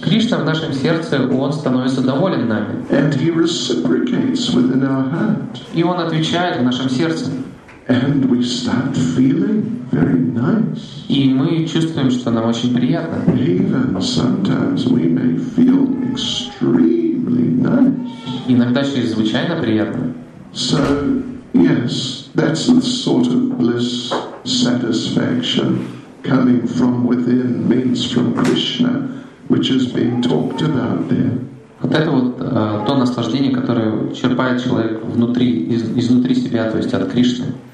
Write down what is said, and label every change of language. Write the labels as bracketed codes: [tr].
[ru] Кришна в нашем сердце, он становится доволен нами. [en] And he reciprocates within our heart. [ru] И он отвечает в нашем сердце. [en] And we start feeling very nice. [ru] И мы чувствуем, что нам очень приятно. [en] Even sometimes we may feel extremely nice. [ru] Иногда чрезвычайно приятно. [en] So, yes, that's the sort of bliss, satisfaction coming from within, means from Krishna, which is being talked about there. [ru] Вот это вот то наслаждение, которое черпает человек внутри, изнутри себя, то есть от Кришны.